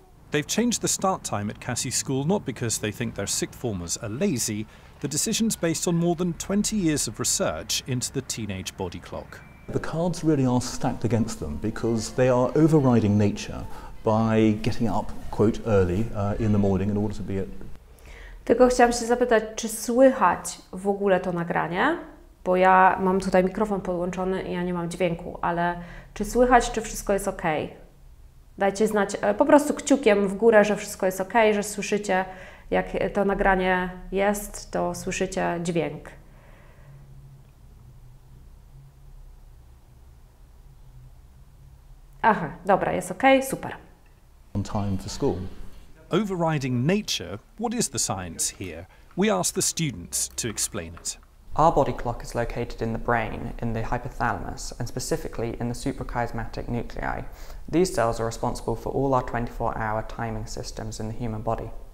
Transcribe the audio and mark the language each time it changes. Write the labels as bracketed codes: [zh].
[en] They've changed the start time at Cassie's school not because they think their sixth formers are lazy. The decision's based on more than 20 years of research into the teenage body clock. The cards really are stacked against them because they are overriding nature by getting up, quote, early in the morning in order to be at... [pl] Tylko chciałam się zapytać, czy słychać w ogóle to nagranie? Bo ja mam tutaj mikrofon podłączony i ja nie mam dźwięku, ale czy słychać, czy wszystko jest ok? Dajcie znać po prostu kciukiem w górę, że wszystko jest ok, że słyszycie, jak to nagranie jest, to słyszycie dźwięk. Aha, dobra, jest okej, super. [en] On time for school. Overriding nature, what is the science here? We ask the students to explain it. Our body clock is located in the brain, in the hypothalamus, and specifically in the suprachiasmatic nuclei. These cells are responsible for all our 24-hour timing systems in the human body.